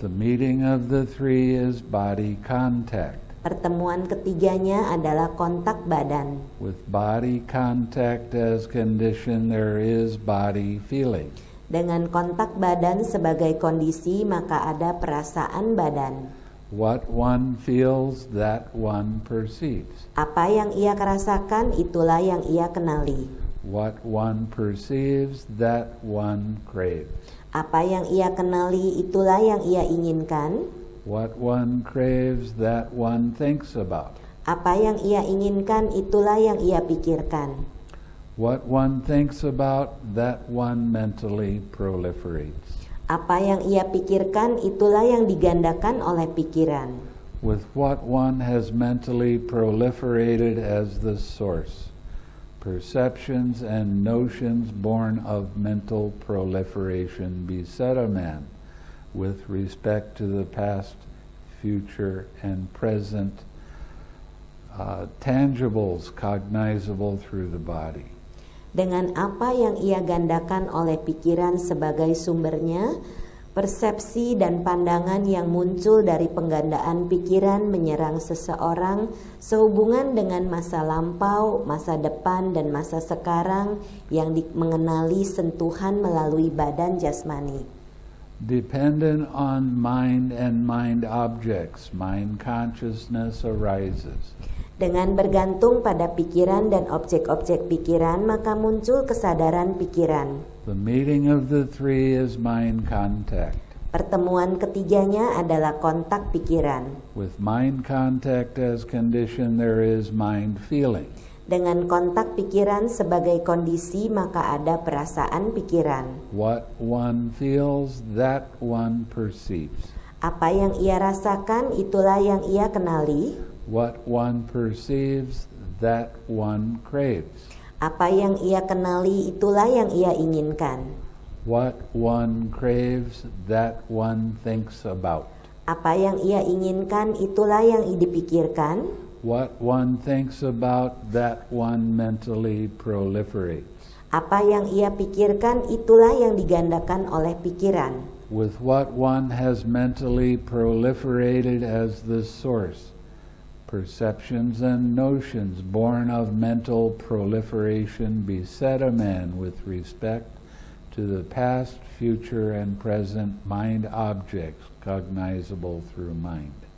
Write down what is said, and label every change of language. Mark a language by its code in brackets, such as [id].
[en] The meeting of the three is body contact. [id] Pertemuan ketiganya adalah kontak badan. [en] With body contact as condition, there is body feeling. [id] Dengan kontak badan sebagai kondisi, maka ada perasaan badan. [en] What one feels, that one perceives. [id] Apa yang ia rasakan, itulah yang ia kenali. [en] What one perceives, that one craves. [id] Apa yang ia kenali, itulah yang ia inginkan. [en] What one craves, that one thinks about. [id] Apa yang ia inginkan, itulah yang ia pikirkan. [en] What one thinks about, that one mentally proliferates. [id] Apa yang ia pikirkan, itulah yang digandakan oleh pikiran. [en] With what one has mentally proliferated as the source, perceptions and notions born of mental proliferation beset a man with respect to the past, future, and present tangibles cognizable through the body. [id] Dengan apa yang ia gandakan oleh pikiran sebagai sumbernya, persepsi dan pandangan yang muncul dari penggandaan pikiran menyerang seseorang sehubungan dengan masa lampau, masa depan, dan masa sekarang yang mengenali sentuhan melalui badan jasmani. [en] Dependent on mind and mind objects, mind consciousness arises. [id] Dengan bergantung pada pikiran dan objek-objek pikiran, maka muncul kesadaran pikiran. [en] The meeting of the three is mind contact. [id] Pertemuan ketiganya adalah kontak pikiran. [en] With mind contact as condition, there is mind feeling. [id] Dengan kontak pikiran sebagai kondisi, maka ada perasaan pikiran. [en] What one feels, that one perceives. [id] Apa yang ia rasakan, itulah yang ia kenali. [en] What one perceives, that one craves. [id] Apa yang ia kenali, itulah yang ia inginkan. [en] What one craves, that one thinks about. [id] Apa yang ia inginkan, itulah yang dipikirkan. [en] What one thinks about, that one mentally proliferates. [id] Apa yang ia pikirkan, itulah yang digandakan oleh pikiran. [en] With what one has mentally proliferated as the source, perceptions and notions born of mental proliferation beset a man with respect to the past, future, and present mind objects cognizable through mind.